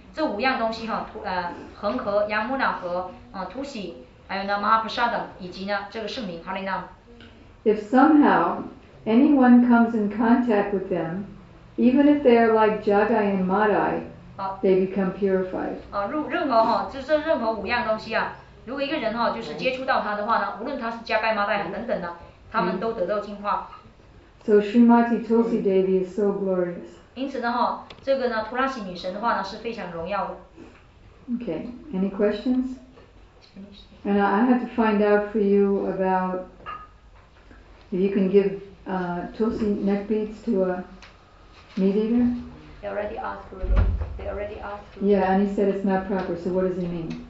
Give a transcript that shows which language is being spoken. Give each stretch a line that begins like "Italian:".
Chinese: 这五样东西哈，恒河、Yamuna 和Tulsi， 还有呢 Mahaprasad 以及呢这个圣名 holy name。
English: If somehow anyone comes in contact with them, even if they are like Jagai and Madai, they become purified.
Chinese: 任何五样东西啊，如果一个人哈，就是接触到它的话呢，无论他是加盖、马代等等的，他们都得到净化。
English: So Srimati Tulsi Devi is so glorious.
Chinese: 因此呢哈，这个呢，图拉西女神的话呢是非常荣耀的。
English: Okay, any questions? And I have to find out for you about if you can give Tulsi neck beads to a meat eater. They already asked for it. They already asked. Yeah, and he said it's not proper. So what does it mean?